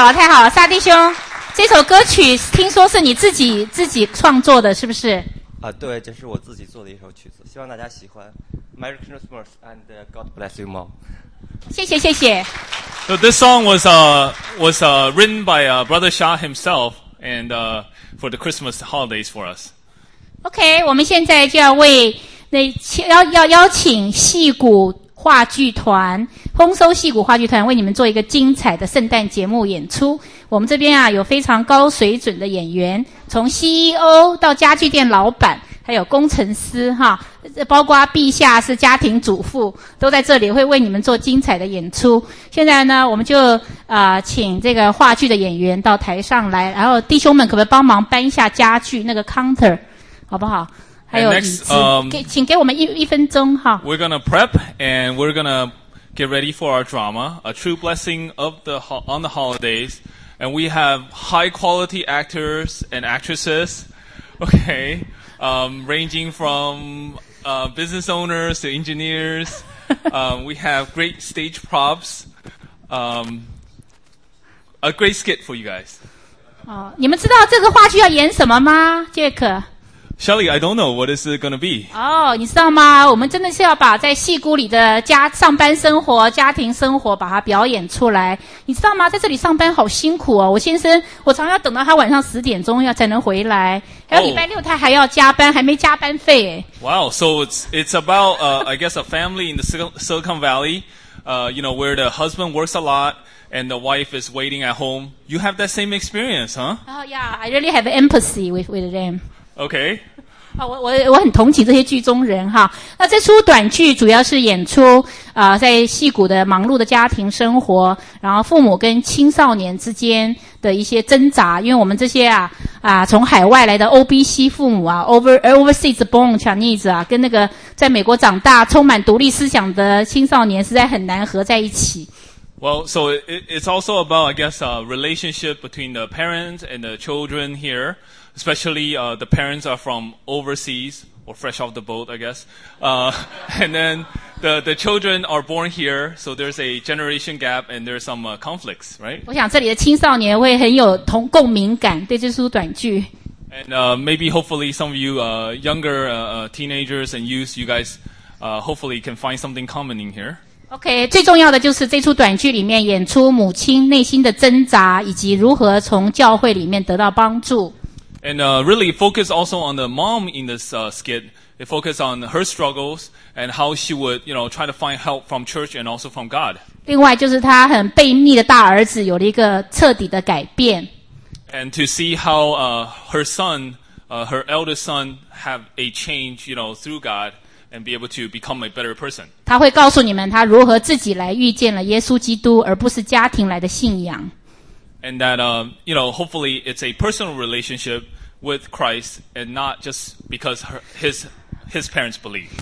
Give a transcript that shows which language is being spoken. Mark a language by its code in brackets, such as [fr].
[zh] 好，沙弟兄，这首歌曲听说是你自己创作的，是不是？啊，对，这是我自己做的一首曲子，希望大家喜欢。 [en] Merry Christmas and God bless you all. [zh] 谢谢。 [en] So this song was written by Brother Shah himself and for the Christmas holidays for us. [zh] OK, 我们现在就要为那要邀请戏骨话剧团，丰收戏骨话剧团为你们做一个精彩的圣诞节目演出。我们这边啊有非常高水准的演员，从 CEO 到家具店老板，还有工程师哈，包括陛下是家庭主妇，都在这里会为你们做精彩的演出。现在呢，我们就请这个话剧的演员到台上来，然后弟兄们可不可以帮忙搬一下家具那个 counter 好不好？还有椅子， [en] next, [zh] 请给我们一分钟哈。 [en] We're gonna prep and we're gonna get ready for our drama, a true blessing of the on the holidays, and we have high quality actors and actresses. Okay, ranging from business owners to engineers. We have great stage props. A great skit for you guys. [zh] 哦，你们知道这个话剧要演什么吗 ，Jack？ [en] Shelly, I don't know what is it going to be. [zh] 哦，你知道吗？我们真的是要把在戏骨里的家上班生活、家庭生活把它表演出来。你知道吗？在这里上班好辛苦哦。我先生，我常要等到他晚上十点钟要才能回来，还有礼拜六他还要加班，还没加班费。 [en] Wow, so it's about I guess a family in the Silicon Valley, you know, where the husband works a lot. And the wife is waiting at home. You have that same experience, huh? Oh, yeah. I really have empathy with them. Okay. [zh] 我很同情这些剧中人哈。那这出短剧主要是演出在矽谷的忙碌的家庭生活，然后父母跟青少年之间的一些挣扎。因为我们这些从海外来的 OBC 父母啊 ， [en] overseas born Chinese [zh] 啊，跟那个在美国长大充满独立思想的青少年，实在很难合在一起。 [en] Well, so it's also about, I guess, a relationship between the parents and the children here, especially the parents are from overseas or fresh off the boat, I guess. And then the children are born here, so there's a generation gap and there's some conflicts, right? [zh] 我想这里的青少年会很有同共鸣感对这出短剧。 [en] And maybe hopefully some of you younger teenagers and youth, you guys hopefully can find something common in here. [zh] OK, 最重要的就是这出短剧里面演出母亲内心的挣扎以及如何从教会里面得到帮助。 [en] And really focus also on the mom in this skit. It focus on her struggles and how she would, you know, try to find help from church and also from God. [zh] 另外就是她很悖逆的大儿子有了一个彻底的改变。 [en] And to see how her son, her eldest son have a change, you know, through God. And be able to become a better person. [zh] 他会告诉你们他如何自己来遇见了耶稣基督，而不是家庭来的信仰。 [en] And that, you know, hopefully it's a personal relationship with Christ, and not just because his parents believe.